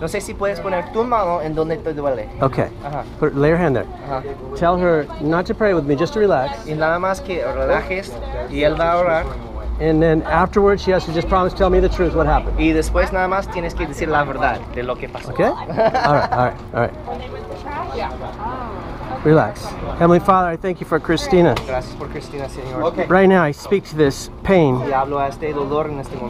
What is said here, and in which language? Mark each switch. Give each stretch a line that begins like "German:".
Spanish: No sé si puedes poner tu mano en donde te duele.
English: Okay. Uh-huh. Lay your hand there. Uh-huh. Tell her not to pray with me, just to relax.
Spanish: Y nada más que relajes y él va a orar.
English: And then afterwards, she has to just promise to tell me the truth, what happened.
Spanish: Y después nada más tienes que decir la verdad de lo que pasó.
English: Okay? All right. Relax. Heavenly Father, I thank you for Christina.
Spanish: Gracias por Christina, Señor.
English: Okay. Right now, I speak to this pain.
Spanish: Y hablo a este dolor en este momento.